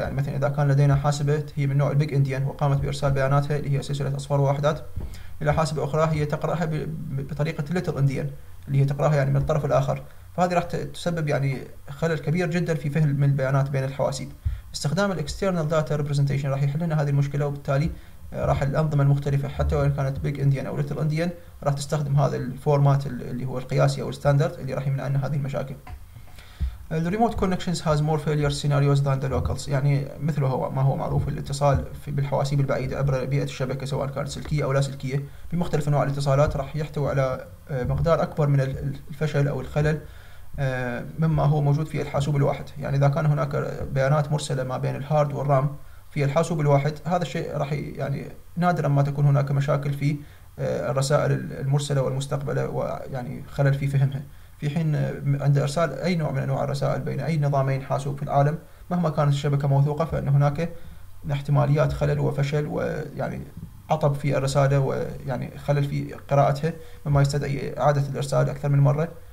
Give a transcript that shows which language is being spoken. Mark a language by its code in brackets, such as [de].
[ar] يعني مثلا إذا كان لدينا حاسبة هي من نوع البيج إنديان وقامت بإرسال بياناتها اللي هي سلسلة أصفار ووحدات إلى حاسبة أخرى هي تقرأها بطريقة Little Endian اللي هي تقرأها يعني من الطرف الآخر، فهذه راح تسبب يعني خلل كبير جدا في فهم البيانات بين الحواسيب. استخدام الاكسترنال داتا ريبريزنتيشن راح يحل لنا هذه المشكلة، وبالتالي راح الأنظمة المختلفة حتى وإن كانت Big Endian أو Little Endian راح تستخدم هذا الفورمات اللي هو القياسي أو الستاندرد اللي راح يمنع عنا هذه المشاكل. [en] The remote connections has more failure scenarios than the locals. [ar] يعني مثل ما هو معروف الاتصال بالحواسيب البعيدة عبر بيئة الشبكة سواء كانت سلكية أو لا سلكية بمختلف أنواع الاتصالات راح يحتوي على مقدار أكبر من الفشل أو الخلل مما هو موجود في الحاسوب الواحد. يعني إذا كان هناك بيانات مرسلة ما بين الهارد والرام في الحاسوب الواحد، هذا الشيء راح يعني نادرا ما تكون هناك مشاكل في الرسائل المرسلة والمستقبلة ويعني خلل في فهمها، في حين عند إرسال أي نوع من أنواع الرسائل بين أي نظامين حاسوب في العالم مهما كانت الشبكة موثوقة فإن هناك احتماليات خلل وفشل ويعني عطب في الرسالة ويعني خلل في قراءتها مما يستدعي إعادة الإرسال أكثر من مرة.